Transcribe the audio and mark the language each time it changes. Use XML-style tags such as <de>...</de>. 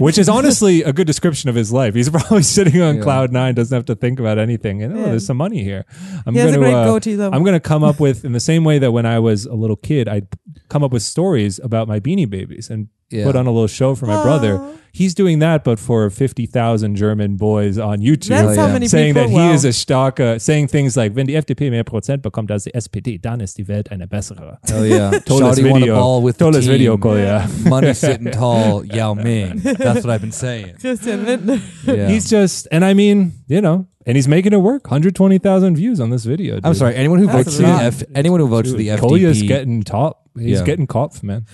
<en>which is honestly a good description of his life. He's probably sitting on Cloud Nine, doesn't have to think about anything, and there's some money here. I'm going to come up with, in the same way that when I was a little kid, I'd come up with stories about my Beanie Babies and put on a little show for my brother. He's doing that, but for 50,000 German boys on YouTube. That's how many saying people, that he is a Stalker, saying things like,</en> <de>wenn die FDP mehr Prozent bekommt als die SPD, dann ist die Welt eine bessere.</de> <en>Oh yeah. Shawty won a ball with the team. Video call, Money sitting tall, Yao Ming. That's what I've been saying. Christian Lindner. He's just, and I mean, you know, and he's making it work. 120,000 views on this video. Dude. I'm sorry, anyone who votes for the FDP. Kolya's getting top. He's getting Kopf, man.</en>